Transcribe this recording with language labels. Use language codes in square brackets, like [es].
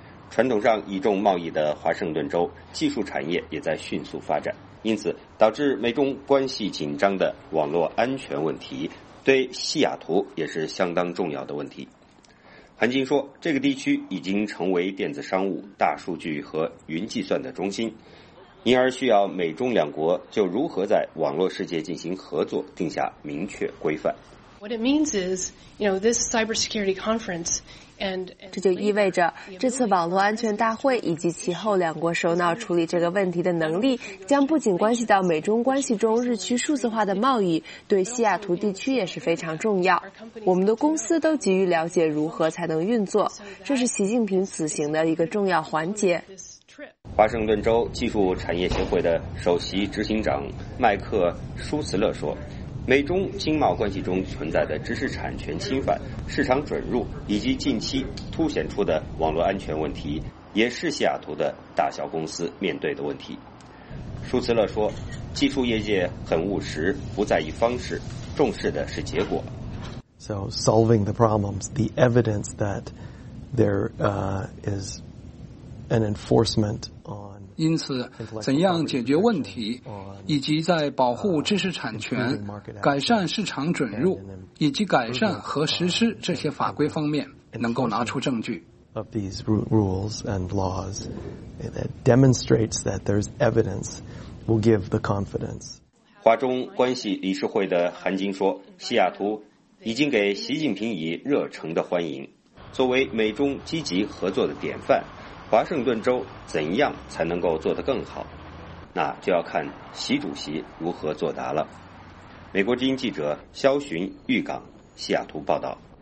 [zh] 传统上倚重贸易的华盛顿州技术产业也在迅速发展，因此导致美中关系紧张的网络安全问题对西雅图也是相当重要的问题。韩晶说，这个地区已经成为电子商务、大数据和云计算的中心，因而需要美中两国就如何在网络世界进行合作定下明确规范。 [en] What it means is, you know, this cybersecurity conference. [zh] 这就意味着这次网络安全大会以及其后两国首脑处理这个问题的能力将不仅关系到美中关系中日趋数字化的贸易，对西雅图地区也是非常重要。我们的公司都急于了解如何才能运作，这是习近平此行的一个重要环节。华盛顿州技术产业协会的首席执行长麦克·舒茨勒说，美中经贸关系中存在的知识产权侵犯、市场准入以及近期凸显出的网络安全问题，也是西雅图的大小公司面对的问题。舒茨勒说，技术业界很务实，不在意方式，重视的是结果。 [en] So solving the problems, the evidence that there is an enforcement on. [zh] 因此，怎样解决问题，以及在保护知识产权、改善市场准入以及改善和实施这些法规方面，能够拿出证据。 [en] Of these rules and laws, that demonstrates that there's evidence, will give the confidence. [zh] 华中关系理事会的韩晶说，西雅图已经给习近平以热诚的欢迎。作为美中积极合作的典范，华盛顿州怎样才能够做得更好？那就要看习主席如何作答了。美国之音记者肖寻豫港西雅图报道。